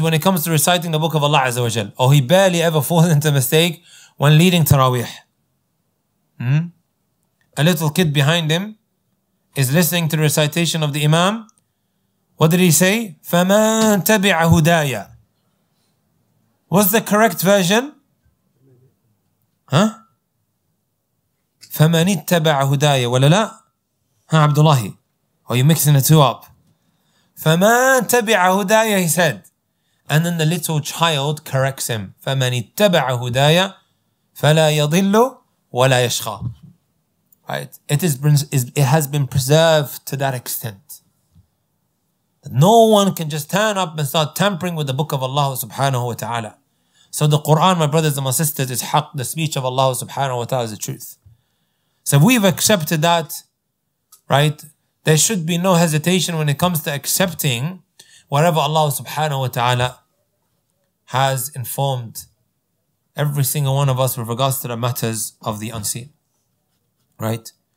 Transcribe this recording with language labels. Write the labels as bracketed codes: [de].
[en] When it comes to reciting the book of Allah Azza wa Jal. Oh, he barely ever falls into mistake when leading Taraweeh. A little kid behind him is listening to the recitation of the Imam. What did he say? [ar] فَمَن تَبِعَ هُدَايَ [en] What's the correct version? Huh? [ar] فَمَنِ اتَّبَعَ هُدَايَ وَلَا لَا Huh, Abdullahi? [en] Oh, you're mixing the two up. [ar] فَمَن تَبِعَ هُدَايَ [en] He said. And then the little child corrects him. [ar] فَمَنِ اتَّبَعَ هُدَايَ فَلَا يَضِلُّ وَلَا يَشْخَى [en] Right? It has been preserved to that extent. No one can just turn up and start tampering with the book of Allah subhanahu wa ta'ala. So the Quran, my brothers and my sisters, is haq, the speech of Allah subhanahu wa ta'ala is the truth. So we've accepted that, right? There should be no hesitation when it comes to accepting whatever Allah subhanahu wa ta'ala has informed every single one of us with regards to the matters of the unseen. Right?